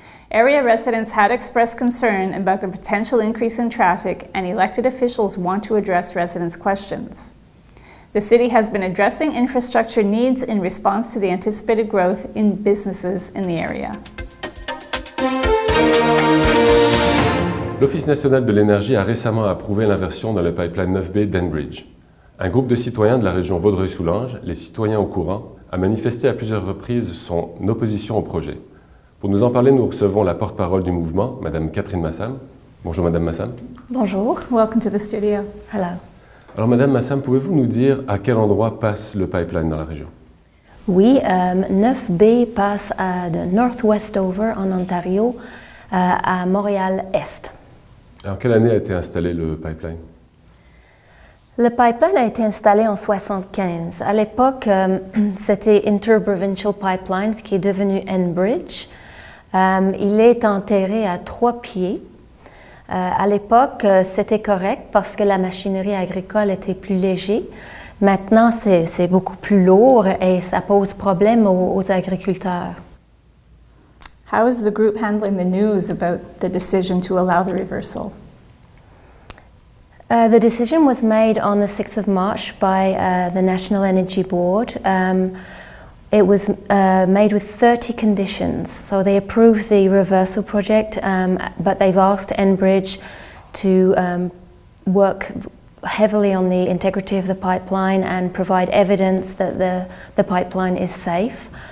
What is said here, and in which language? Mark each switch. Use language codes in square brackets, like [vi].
[en] Area residents had expressed concern about the potential increase in traffic and elected officials want to address residents' questions. The city has been addressing infrastructure needs in response to the anticipated growth in businesses in the area. [fr] L'Office national de l'énergie a récemment approuvé l'inversion dans le pipeline 9B d'Enbridge. Un groupe de citoyens de la région Vaudreuil-Soulanges, les citoyens au courant, a manifesté à plusieurs reprises son opposition au projet. Pour nous en parler, nous recevons la porte-parole du mouvement, Madame Catherine Massam. Bonjour Madame Massam. Bonjour. [en] Welcome to the studio. Hello. [fr] Alors Madame Massam, pouvez-vous nous dire à quel endroit passe le pipeline dans la région? Oui, 9B passe de Northwestover en Ontario à Montréal-Est. Alors quelle année a été installé le pipeline? Le pipeline a été installé en 1975. À l'époque, c'était Interprovincial Pipelines qui est devenu Enbridge. Il est enterré à 3 pieds. À l'époque, c'était correct parce que la machinerie agricole était plus léger. Maintenant, c'est beaucoup plus lourd et ça pose problème aux agriculteurs. [en] How is the group handling the news about the decision to allow the reversal? The decision was made on the 6th of March by the National Energy Board. It was made with 30 conditions. So they approved the reversal project, but they've asked Enbridge to work heavily on the integrity of the pipeline and provide evidence that the pipeline is safe.